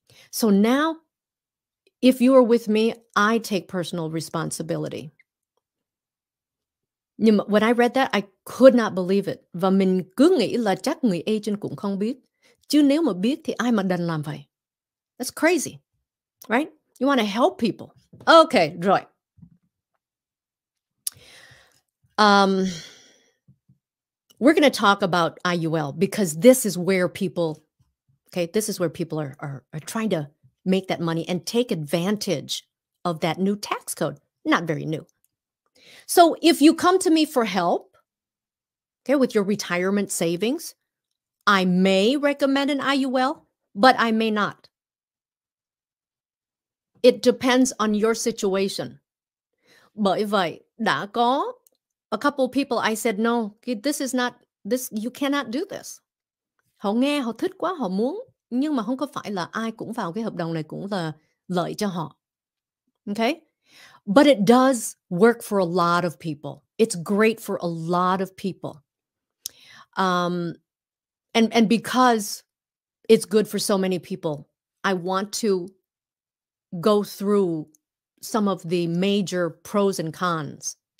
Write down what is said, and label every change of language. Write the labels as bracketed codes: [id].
[en] So now, if you are with me, I take personal responsibility. [vi] Nhưng mà [en] when I read that, I could not believe it. [vi] Và mình cứ nghĩ là chắc người agent cũng không biết. Chứ nếu mà biết thì ai mà đành làm vậy? [en] That's crazy, right? You want to help people. Okay, [vi] rồi. [en] We're going to talk about IUL because this is where people, okay, this is where people are trying to make that money and take advantage of that new tax code. Not very new. So if you come to me for help, okay, with your retirement savings, I may recommend an IUL, but I may not. It depends on your situation. [vi] Bởi vậy, đã có [en] a couple of people I said, no, this is not, this, you cannot do this. [vi] Họ nghe, họ thích quá, họ muốn, nhưng mà không có phải là ai cũng vào cái hợp đồng này cũng là lợi cho họ. [en] Okay? But it does work for a lot of people. It's great for a lot of people. And because it's good for so many people, I want to go through some of the major pros and cons.